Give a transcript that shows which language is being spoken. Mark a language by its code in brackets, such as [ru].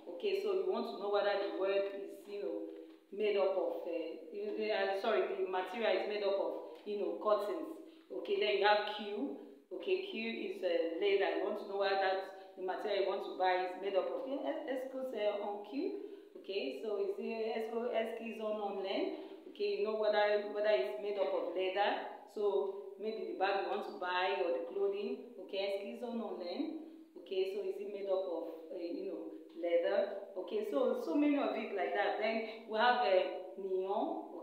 [en] Okay, so you want to know whether the word is, made up of, the material is made up of, cottons. Okay, then you have cuir. Okay, cuir is a leather. You want to know whether that's the material you want to buy is made up of. [fr] Est-ce que c'est en cuir? Okay, so est-ce qu'ils ont en lin? [en] Okay, you know whether it's made up of leather. So maybe the bag you want to buy or the clothing. Okay, [fr] est-ce qu'ils ont en lin? [en] Okay, so is it made up of leather? Okay, so many of it like that. Then we have a nylon.